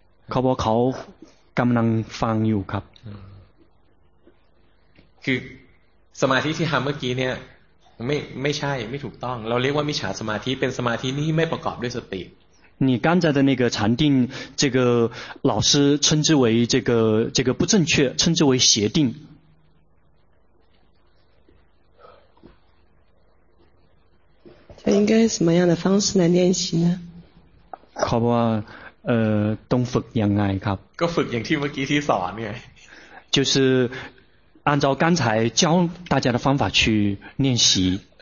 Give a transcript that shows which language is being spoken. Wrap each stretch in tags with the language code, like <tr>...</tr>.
<th>เขาบอกเขากำลังฟังอยู่ครับ คือสมาธิที่ทำเมื่อกี้เนี่ยไม่ใช่ไม่ถูกต้องเราเรียกว่ามิจฉาสมาธิเป็นสมาธินี่ไม่ประกอบด้วยสติ</th> <zh>你刚才的那个禅定这个老师称之为这个不正确称之为邪定他应该什么样的方式来练习呢</zh> <th>เขาบอกว่าต้องฝึกยังไงครับ ก็ฝึกอย่างที่เมื่อกี้ที่สอนเนี่ย</th> <zh>就是按照刚才教大家的方法去练习</zh>